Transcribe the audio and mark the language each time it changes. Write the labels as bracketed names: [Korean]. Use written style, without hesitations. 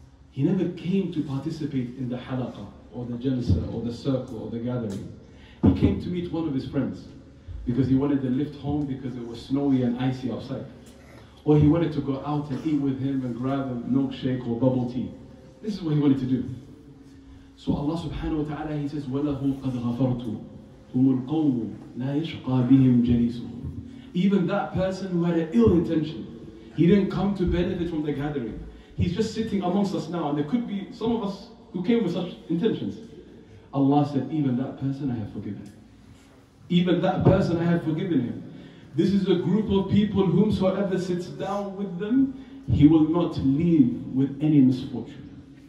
[English] He never came to participate in the halaqa or the jalsa or the circle or the gathering. He came to meet one of his friends because he wanted to lift home because it was snowy and icy outside. Or he wanted to go out and eat with him and grab a milkshake or bubble tea. This is what he wanted to do. So Allah Subhanahu wa Ta'ala, he says, [Arabic] وَلَهُ قَدْ غَفَرْتُ هُمُ الْقَوْمُ لَا يَشْقَى بِهِمْ جَلِيسُهُ. [English] Even that person who had an ill intention, he didn't come to benefit from the gathering. He's just sitting amongst us now, and there could be some of us who came with such intentions. Allah said, even that person I have forgiven. Even that person I have forgiven him. This is a group of people whomsoever sits down with them, he will not leave with any misfortune.